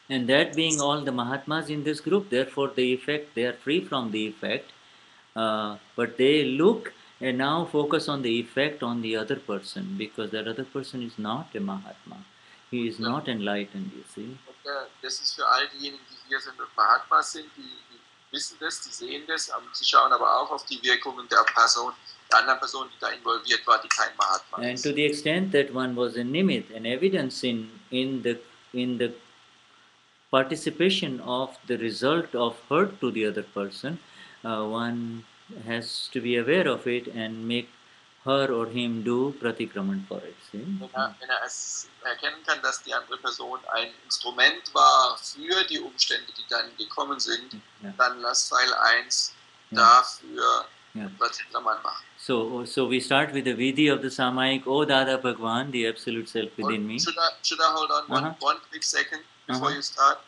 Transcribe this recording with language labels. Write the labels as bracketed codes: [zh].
[en] And that being all the Mahatmas in this group, therefore the effect, they are free from the effect, but they look and now focus on the effect on the other person, because that other person is not a Mahatma. He is not enlightened, you see. [de] Das ist für all diejenigen, die hier sind und Mahatma sind, die wissen das, die sehen das, sie schauen aber auch auf die Wirkungen der Person, der anderen Person, die da involviert war, die kein Mahatma ist. [en] And to the extent that one was a nimit, an evidence in the participation of the result of hurt to the other person, one has to be aware of it and make her or him do pratikraman for it. See? [de] Wenn er es erkennen kann, dass die andere Person ein Instrument war für die Umstände, die dann gekommen sind, dann lass Teil 1 dafür pratikraman machen. [en] So we start with the vidhi of the Samayik, O Dada Bhagwan, the Absolute Self within me. Should I hold on one quick second before you start?